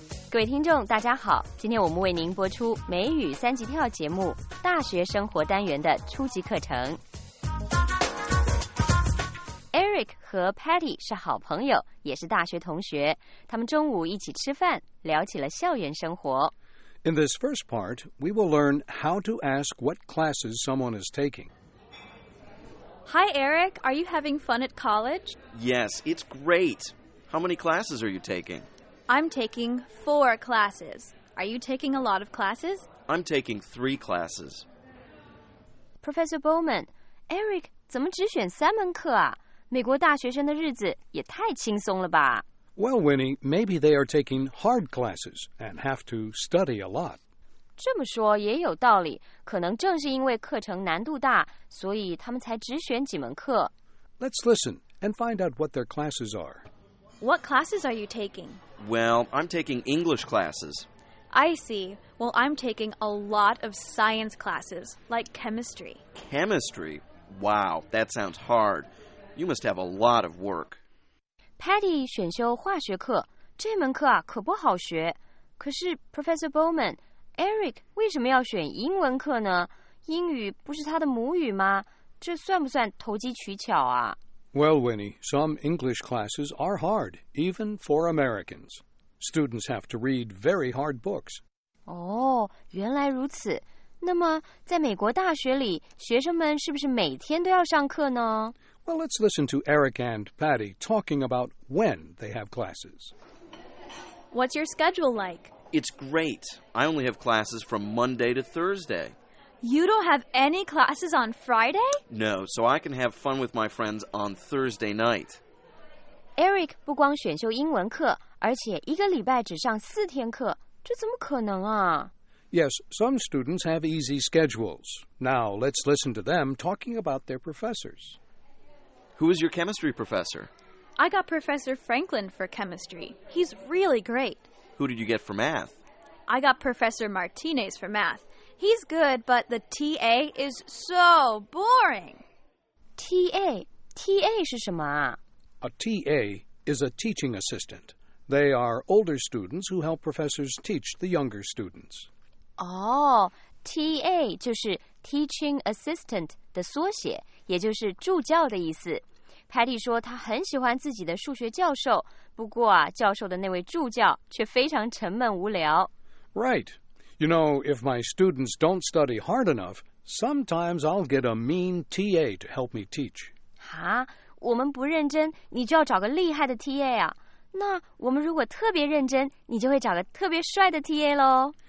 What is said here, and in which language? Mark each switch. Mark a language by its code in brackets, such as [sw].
[zh] 各位听众大家好，今天我们为您播出美语三级跳节目大学生活单元的初级课程。 Eric 和 Patty 是好朋友，也是大学同学。他们中午一起吃饭，聊起了校园生活。 [en] In this first part, we will learn how to ask what classes someone is taking. Hi, Eric. Are you having fun at college? Yes, it's great. How many classes are you taking? I'm taking 4 classes. Are you taking a lot of classes? I'm taking 3 classes. [zh] Professor Bowman, Eric 怎么只选三门课啊？美国大学生的日子也太轻松了吧。 [en] Well, Winnie, maybe they are taking hard classes and have to study a lot. [zh] 这么说也有道理，可能正是因为课程难度大，所以他们才只选几门课。 [en] Let's listen and find out what their classes are. What classes are you taking? Well, I'm taking English classes. I see. Well, I'm taking a lot of science classes, like chemistry. Chemistry? Wow, that sounds hard. You must have a lot of work. [zh] Patty 选修化学课，这门课啊可不好学。可是 Professor Bowman, Eric 为什么要选英文课呢？英语不是他的母语吗？这算不算投机取巧啊？ [en] Well, Winnie, some English classes are hard, even for Americans. Students have to read very hard books. [zh] 哦，原来如此。那么，在美国大学里，学生们是不是每天都要上课呢？ [en] Well, let's listen to Eric and Patty talking about when they have classes. What's your schedule like? It's great. I only have classes from Monday to Thursday. You don't have any classes on Friday? No, so I can have fun with my friends on Thursday night. [zh] Eric 不光选修英文课，而且一个礼拜只上四天课，这怎么可能啊？ [en] Yes, some students have easy schedules. Now, let's listen to them talking about their professors. Who is your chemistry professor? I got Professor Franklin for chemistry. He's really great. Who did you get for math? I got Professor Martinez for math. He's good, but the TA is so boring. [zh] TA? TA 是什么啊? [en] A TA is a teaching assistant. They are older students who help professors teach the younger students. [zh] Oh, TA 就是 [en] teaching assistant [zh] 的缩写。也就是助教的意思。 Patty 说他很喜欢自己的数学教授，不过啊，教授的那位助教却非常沉闷无聊。 [en] Right. You know, if my students don't study hard enough, sometimes I'll get a mean TA to help me teach. [zh] 哈，我们不认真，你就要找个厉害的 TA 啊。那我们如果特别认真，你就会找个特别帅的 TA 咯。